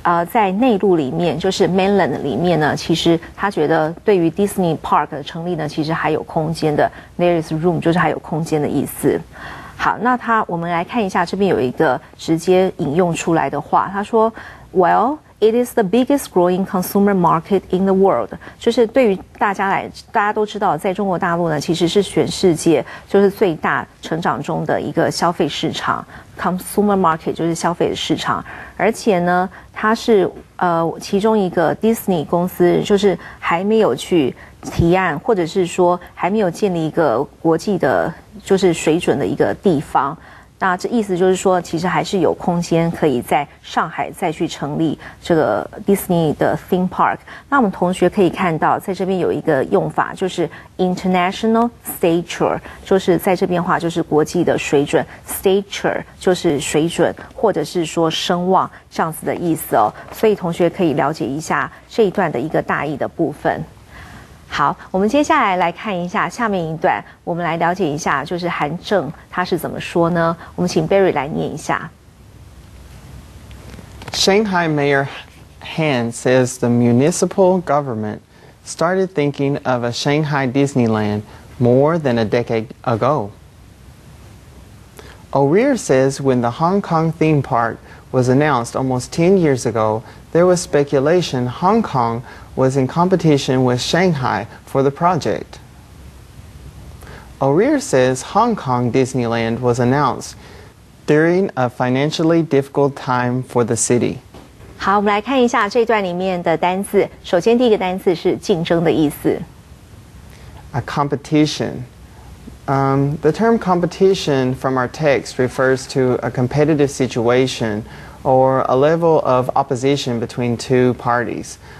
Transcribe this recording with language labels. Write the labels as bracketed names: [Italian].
[Chinese] 在内陆里面，就是 mainland 里面呢，其实他觉得对于 Disney Park 的成立呢，其实还有空间的。 [English] There is room [Chinese] 就是还有空间的意思。好，那他我们来看一下，这边有一个直接引用出来的话，他说 ，Well。 [English] It is the biggest growing consumer market in the world. [Chinese] 就是对于大家来，大家都知道，在中国大陆呢，其实是全世界就是最大成长中的一个消费市场 ，consumer market 就是消费市场。而且呢，它是其中一个 Disney 公司，就是还没有去提案，或者是说还没有建立一个国际的，就是水准的一个地方。那这意思就是说，其实还是有空间可以在上海再去成立这个 Disney 的 Theme Park。那我们同学可以看到，在这边有一个用法，就是 International Stature， 就是在这边的话就是国际的水准 ，Stature 就是水准或者是说声望这样子的意思哦。所以同学可以了解一下这一段的一个大意的部分。好，我们接下来来看一下下面一段，我们来了解一下，就是韩正他是怎么说呢？我们请 Barry 来念一下。 [English] Shanghai Mayor Han says the municipal government started thinking of a Shanghai Disneyland more than a decade ago. O'Rear says when the Hong Kong theme park was announced almost 10 years ago, there was speculation Hong Kong. Was in competition with Shanghai for the project. O'Rear says Hong Kong Disneyland was announced during a financially difficult time for the city. [Chinese] 好，我们来看一下这段里面的单字。首先，第一个单字是竞争的意思。 [English] A competition. The term competition from our text refers to a competitive situation or a level of opposition between two parties.